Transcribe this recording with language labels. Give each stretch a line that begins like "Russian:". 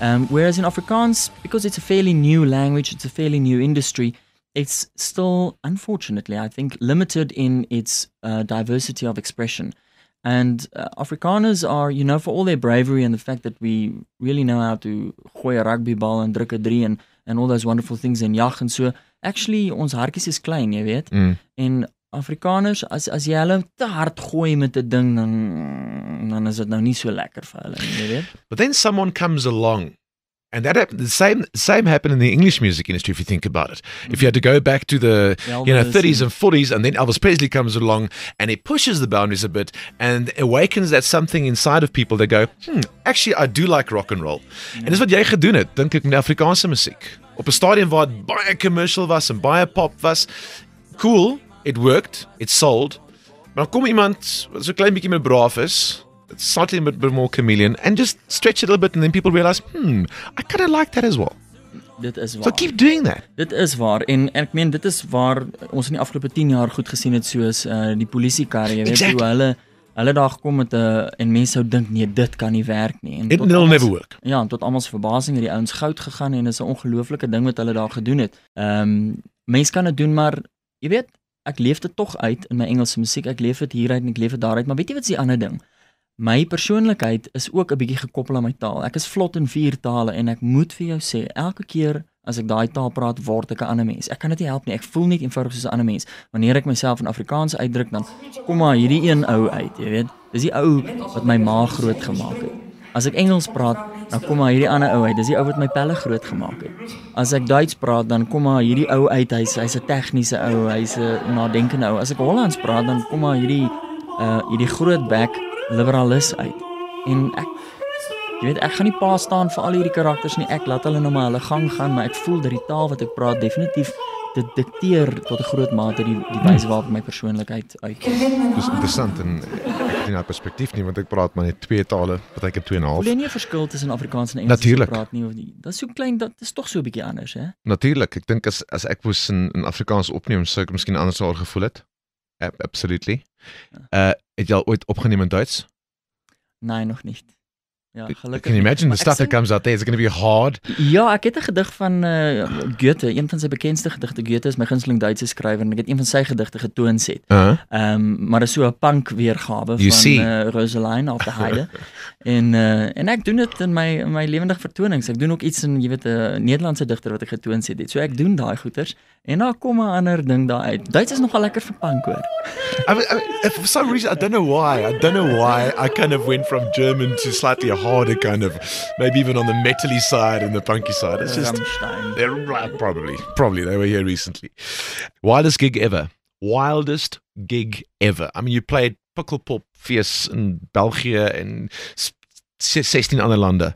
English: Whereas in Afrikaans, because it's a fairly new language, it's a fairly new industry, it's still, unfortunately, I think, limited in its diversity of expression. And Afrikaners are, you know, for all their bravery and the fact that we really know how to gooi a rugby ball and druk a drie and all those wonderful things in jag and so, actually,
Afrikaans: ons hartjies is klein, jy weet. Mm. En Afrikaners, as jy hulle te hard gooi met 'n ding, dan is dit nou nie so lekker vir hulle, jy weet.
English: But then someone comes along, and that happened, the same happened in the English music industry, if you think about it. If you had to go back to the you know, 30s and 40s, and then Elvis Presley comes along, and he pushes the boundaries a bit, and awakens that something inside of people, they go, actually, I do like rock and roll. Yeah. And this is what
Afrikaans: jy gedoen het, dink ek, met Afrikaanse musiek. Op 'n stadium waar baie commercial was, en baie pop was,
English: cool, it worked, it sold.
Afrikaans: Maar kom iemand, wat so klein bietjie met braaf is,
English: slightly a bit more Chameleon, and just stretch it a little bit, and then people realize, I kind of like that as well.
Afrikaans: Dit is waar.
English: So keep doing that.
Afrikaans: Dit is waar, en ek meen, dit is waar ons in die afgelope 10 jaar goed gesien het, soos die polisiekarre, jy weet, hoe hulle daar gekom het, en mense sou dink, nee, dit kan nie werk nie.
English: It will never work.
Afrikaans: Ja, en tot almal se verbasing het die ouens goud gegaan, en is 'n ongelooflike ding wat hulle daar gedoen het. Mens kan dit doen, maar, jy weet, ek leef dit toch uit in my Engelse muziek, ek leef dit hieruit, en ek leef dit daaruit, maar weet jy wat is die ander ding? my persoonlikheid is ook 'n bietjie gekoppel aan my taal. Ek is vlot in 4 tale en ek moet vir jou sê, elke keer as ek daai taal praat, word ek 'n ander mens. Ek kan dit nie help nie. Ek voel net eenvoudig soos 'n ander mens. Wanneer ek myself in Afrikaans uitdruk, dan kom maar hierdie een ou uit, jy weet. Dis die ou wat my ma groot gemaak het. As ek Engels praat, dan kom maar hierdie ander ou uit. Dis die ou wat my pelle groot gemaak het. As ek Duits praat, dan kom maar hierdie ou uit. Hy's 'n tegniese ou, hy's 'n nadenkende ou. As ek Hollands praat, dan kom maar hierdie groot bek liberalis uit. En ek, jy weet, ek gaan nie pa staan vir al hierdie karakters nie. Ek laat hulle nou maar hulle gang gaan, maar ek voel dat die taal wat ek praat definitief dit dikteer tot 'n groot mate die wyse waarop my persoonlikheid uitkom. Dis interessant en in haar perspektief nie, want ek praat maar net 2 tale, wat ek 2.5. Voel jy nie 'n verskil tussen Afrikaans en Engels? Natuurlik. Praat nie of nie. Dit is so klein, dit is tog so 'n bietjie anders, hè? Natuurlik. Ek dink as ek moes in Afrikaans opneem, sou ek miskien anders daar gevoel het.
English: Absolutely.
Afrikaans: Het jy al ooit opgeneem in Duits? Nee, nog nie. Ja, gelukkig.
English: Can you imagine the stuff that comes out there? Is it going to be hard?
Afrikaans: Ja, ek het 'n gedig van Goethe, een van sy bekendste gedigte. Goethe is my gunsteling Duitse skrywer en ek het een van sy gedigte getoon set. Maar is so 'n punk weergawe van Roseline of the Heide. en ek doen dit in my lewendige vertonings. Ek doen ook iets in, jy weet, 'n Nederlandse digter wat ek getoon set het. So ek doen daai goeters en daar kom 'n ander ding daar uit. Duits is nogal lekker vir punk hoor.
English: For some reason, I don't know why I kind of went from German to slightly harder kind of, maybe even on the metally side and the punky side. It's just, probably they were here recently. Wildest gig ever. Wildest gig ever. I mean, you played Pukkelpop, Fierce in Belgium and 16 other lande.